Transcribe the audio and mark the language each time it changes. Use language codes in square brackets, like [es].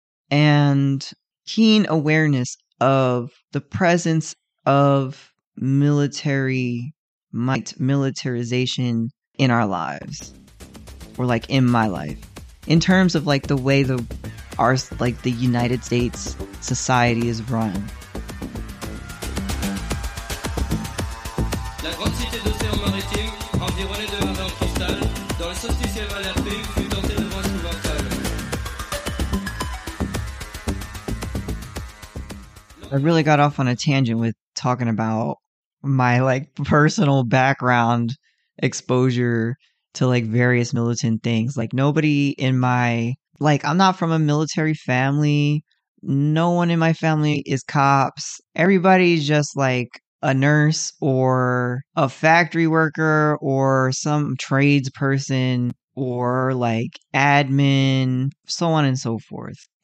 [en] and keen awareness of the presence of military might, militarization in our lives, or like in my life, in terms of like the way the our, like the United States society is run. [fr] La grande cité d'océan maritime, environnée de mer en cristal, dans le solstice hiver l'air pur, fut tentée de vents souverains. [en] I really got off on a tangent with talking about my like personal background exposure to like various militant things. Like nobody in my, like I'm not from a military family. No one in my family is cops. Everybody's just like a nurse or a factory worker or some tradesperson or like admin, so on and so forth.